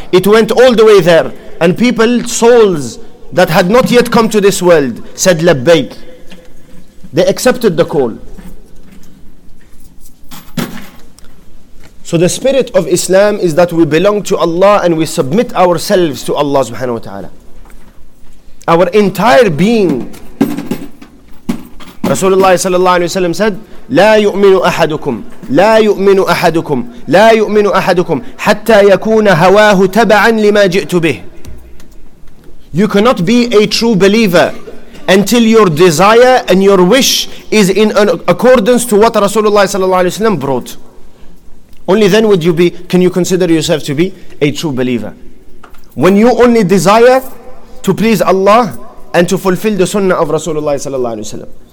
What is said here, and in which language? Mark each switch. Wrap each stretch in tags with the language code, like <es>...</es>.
<en>It went all the way there. And people, souls that had not yet come to this world, said labbaik. They accepted the call. So the spirit of Islam is that we belong to Allah and we submit ourselves to Allah subhanahu wa ta'ala. Our entire being.</en> <ar>Rasulullah sallallahu alayhi wa sallam said, لا يؤمن أحدكم لا يؤمن أحدكم لا يؤمن أحدكم حتى يكون هواه تبعا لما جئت به.</ar> <en>You cannot be a true believer until your desire and your wish is in accordance to what Rasulullah sallallahu alayhi wa sallam brought. Only then would you be, can you consider yourself to be a true believer. When you only desire to please Allah and to fulfill the sunnah of Rasulullah sallallahu alayhi wa sallam.</en>